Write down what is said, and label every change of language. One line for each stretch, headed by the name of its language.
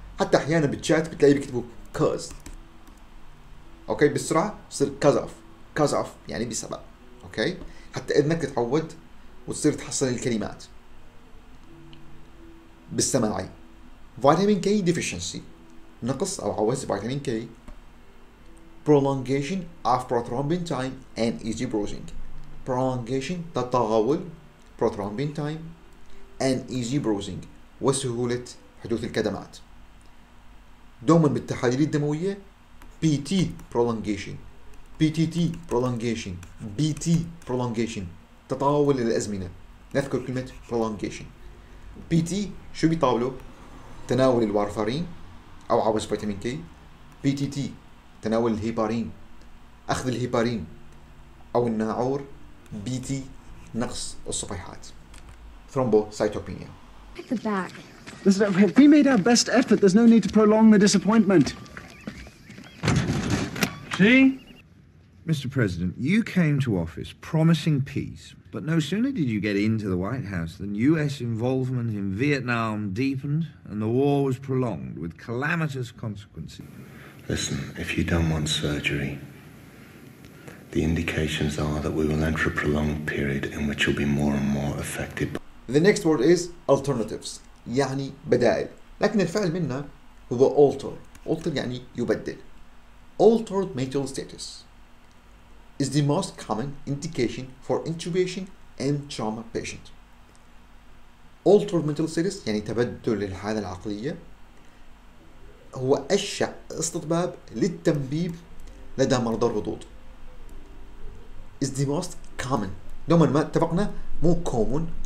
Arabic: حتى أحيانا بالشات بتلاقي بيكتبوا cause. أوكي بسرعة بصير cause of يعني بسبب. أوكي حتى إذنك تتعود وتصير تحصل الكلمات بالسماعي.
English: vitamin K deficiency
Arabic: نقص أو عوز فيتامين كي.
English: prolongation of prothrombin time and easy bruising. prolongation تطاول، prothrombin time and easy bruising
Arabic: وسهولة حدوث الكدمات. دوما بالتحاليل الدموية
English: PT prolongation، PTT prolongation، BT prolongation
Arabic: تطاول الأزمنة. نذكر كلمة prolongation. PT شو بيطاوله؟ تناول الوارفارين أو عوز فيتامين كي. PTT تناول الهيبارين، أخذ الهيبارين أو الناعور. BT نقص الصفيحات.
English: Thrombocytopenia. At the back. Listen, we made our best effort. There's no need to prolong the disappointment. See? Mr. President, you came to office promising peace, but no sooner did you get into the White House than U.S. involvement in Vietnam deepened and the war was prolonged with calamitous consequences. Listen, if you don't want surgery, the indications are that we will enter a prolonged period in which you'll be more and more affected. The next word is alternatives,
Arabic: يعني بدائل. لكن الفعل منا هو alter. Alter يعني يبدل.
English: Altered mental status is the most common indication for intubation and trauma patient. Altered mental status
Arabic: يعني تبدل الحالة العقلية هو أشع استطباب للتنبيب لدى مرضى الرضوض.
English: Is the most common.
Arabic: دوما ما اتفقنا مو common.